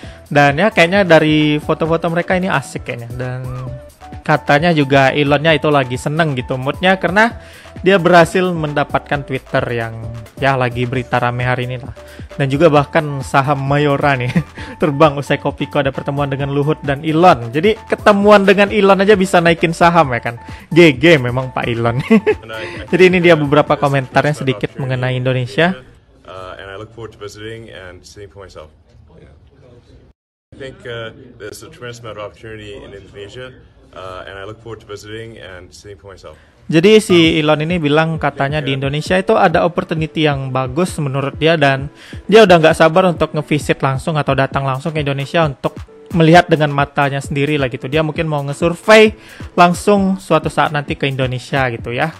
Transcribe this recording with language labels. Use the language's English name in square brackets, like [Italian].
[Indonesian] Dan ya kayaknya dari foto-foto mereka ini asik kayaknya, dan katanya juga Elonnya itu lagi seneng gitu moodnya karena dia berhasil mendapatkan Twitter yang ya lagi berita rame hari ini lah. Dan juga bahkan saham Mayora nih terbang usai Kopiko ada pertemuan dengan Luhut dan Elon. Jadi ketemuan dengan Elon aja bisa naikin saham ya kan. GG memang Pak Elon. Jadi ini dia beberapa komentarnya sedikit mengenai Indonesia. [English] And I look forward to visiting and seeing for myself. I think there's a tremendous amount of opportunity in Indonesia. And I look forward to visiting and seeing for myself. [Indonesian] Jadi si Elon ini bilang katanya di Indonesia itu ada opportunity yang bagus menurut dia, dan dia udah gak sabar untuk ngevisit langsung atau datang langsung ke Indonesia untuk melihat dengan matanya sendiri lah gitu. Dia mungkin mau ngesurvey langsung suatu saat nanti ke Indonesia gitu ya.